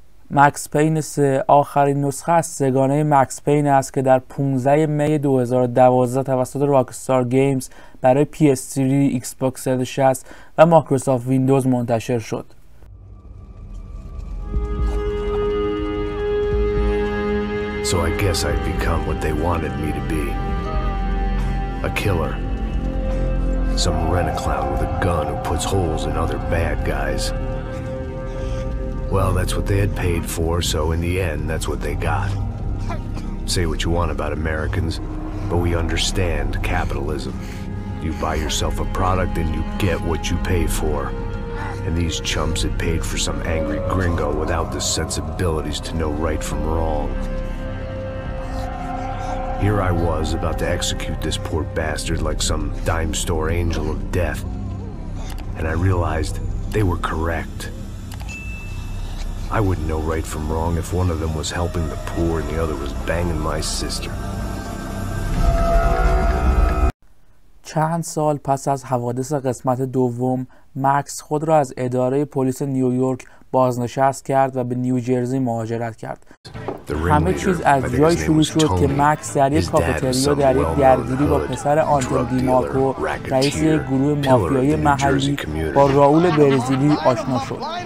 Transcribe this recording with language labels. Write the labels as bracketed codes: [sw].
[fa] مکس پین 3 آخرین نسخه از سگانه مکس پین است که در 15 می 2012 توسط راکستار گیمز برای PS3, ایکس باکس 360 و مایکروسافت ویندوز منتشر شد. [en] So I guess I've become what they wanted me to be. A killer. Some rent-a-clown with a gun who puts holes in other bad guys. Well, that's what they had paid for, so in the end, that's what they got. Say what you want about Americans, but we understand capitalism. You buy yourself a product and you get what you pay for. And these chumps had paid for some angry gringo without the sensibilities to know right from wrong. Here I was, about to execute this poor bastard like some dime store angel of death. And I realized they were correct. I wouldn't know right from wrong if one of them was helping the poor and the other was banging my sister. [fa] چند سال پس از حوادث قسمت دوم، مکس خود را از اداره پلیس نیویورک بازنشست کرد و به نیوجرسی مهاجرت کرد. همه چیز از جایی شروع شد که مکس در یک کافتریا در یک درگیری با پسر آنتون دیمارکو، رئیس گروه مافیایی محلی، با راول برزیلی آشنا شد.